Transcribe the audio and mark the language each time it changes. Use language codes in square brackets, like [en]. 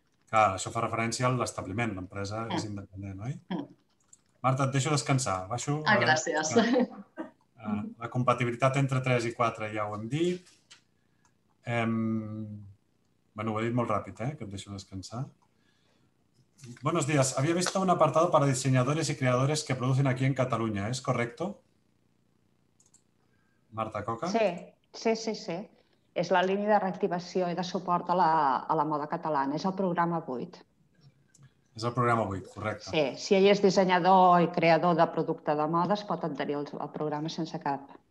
[ca] Clar, això fa referència a l'establiment. L'empresa és independent, oi? Marta, et deixo descansar. Baixo. Ah, gràcies. La compatibilitat entre 3 i 4 ja ho hem dit. Bueno, ho he dit molt ràpid, que et deixo descansar. [es] Buenos días. Había visto un apartado para diseñadores y creadores que producen aquí en Cataluña. ¿Es correcto? Marta Coca. [ca] Sí. És la línia de reactivació i de suport a la moda catalana. És el programa 8. És el programa 8, correcte. Sí, si ell és dissenyador i creador de producte de moda, es pot adherir al programa sense cap.